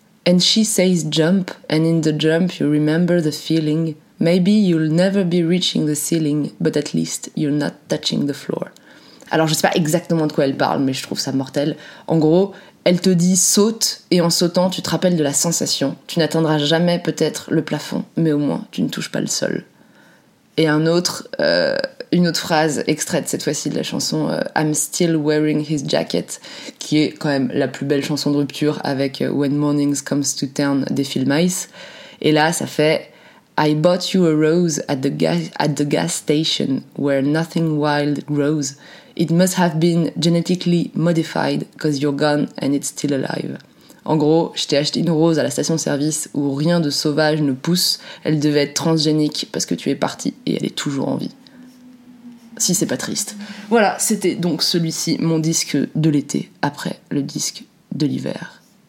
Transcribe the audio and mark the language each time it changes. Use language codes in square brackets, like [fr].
[en] And she says jump, and in the jump you remember the feeling. Maybe you'll never be reaching the ceiling, but at least you're not touching the floor. [fr] Alors je sais pas exactement de quoi elle parle, mais je trouve ça mortel. En gros, elle te dit saute, et en sautant tu te rappelles de la sensation. Tu n'atteindras jamais peut-être le plafond, mais au moins tu ne touches pas le sol. Et une autre phrase extraite cette fois-ci de la chanson I'm Still Wearing His Jacket, qui est quand même la plus belle chanson de rupture avec When Mornings Comes to Turn des Phil Mice. Et là, ça fait [en] I bought you a rose at the gas station where nothing wild grows. It must have been genetically modified because you're gone and it's still alive. [fr] En gros, je t'ai acheté une rose à la station-service où rien de sauvage ne pousse. Elle devait être transgénique parce que tu es partie et elle est toujours en vie. Si c'est pas triste. Voilà, c'était donc celui-ci, mon disque de l'été, après le disque de l'hiver.